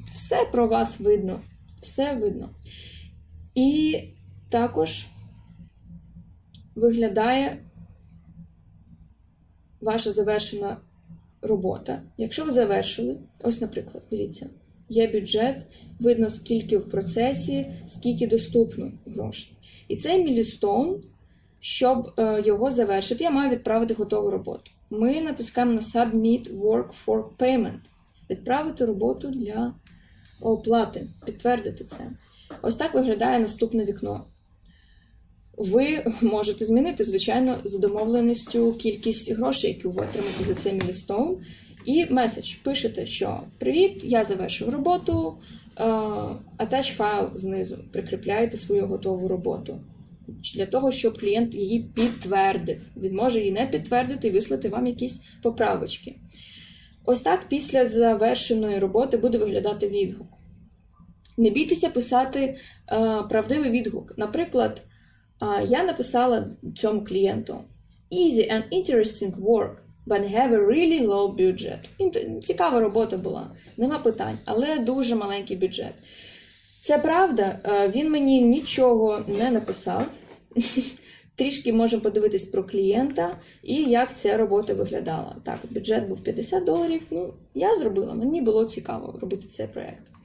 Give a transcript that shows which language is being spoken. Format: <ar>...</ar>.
<uk>Все про вас видно. Все видно. І також виглядає ваша завершена робота. Якщо ви завершили, ось, наприклад, дивіться, є бюджет, видно, скільки в процесі, скільки доступно грошей. І цей мілістон, щоб його завершити, я маю відправити готову роботу. Ми натискаємо на Submit Work for Payment. Відправити роботу для оплати. Підтвердити це. Ось так виглядає наступне вікно. Ви можете змінити, звичайно, за домовленістю кількість грошей, які ви отримаєте за цей мілістон. І меседж. Пишете, що «Привіт, я завершив роботу». Attach файл знизу. Прикріпляєте свою готову роботу. Для того, щоб клієнт її підтвердив. Він може її не підтвердити і вислати вам якісь поправочки. Ось так після завершеної роботи буде виглядати відгук. Не бійтеся писати правдивий відгук. Наприклад, я написала цьому клієнту</uk> <en>«Easy and interesting work, but have a really low budget».</en> <uk>Цікава робота була, нема питань, але дуже маленький бюджет. Це правда, він мені нічого не написав. Трішки можемо подивитись про клієнта і як ця робота виглядала. Так, бюджет був $50, ну, я зробила, мені було цікаво робити цей проєкт.</uk>